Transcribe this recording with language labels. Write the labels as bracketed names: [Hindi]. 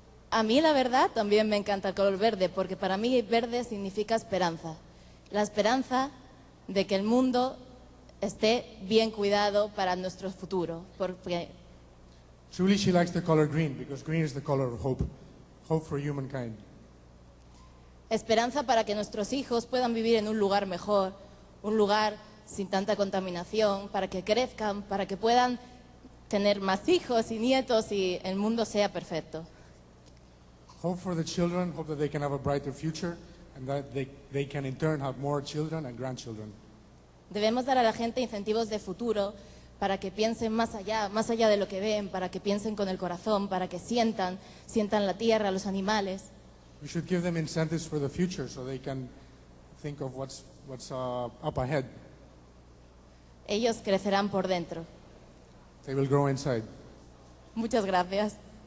[Spanish] A mí, la verdad, también me encanta el color verde, porque para mí verde significa esperanza. La esperanza de que el mundo esté bien cuidado para nuestro futuro. Porque... [English] Truly, she likes the color green, because green is the color of hope. Hope for humankind. [Spanish] Esperanza para que nuestros hijos puedan vivir en un lugar mejor, un lugar sin tanta contaminación, para que crezcan, para que puedan tener más hijos y nietos y el mundo sea perfecto. [English] Hope for the children, hope that they can have a brighter future and that they can in turn have more children and grandchildren. [Spanish] Debemos dar a la gente incentivos de futuro para que piensen más allá de lo que ven, para que piensen con el corazón, para que sientan la tierra, los animales. [English] We should give them incentives for the future so they can think of what's up ahead. [Spanish] Ellos crecerán por dentro. [English] They will grow inside. [Spanish] Muchas gracias.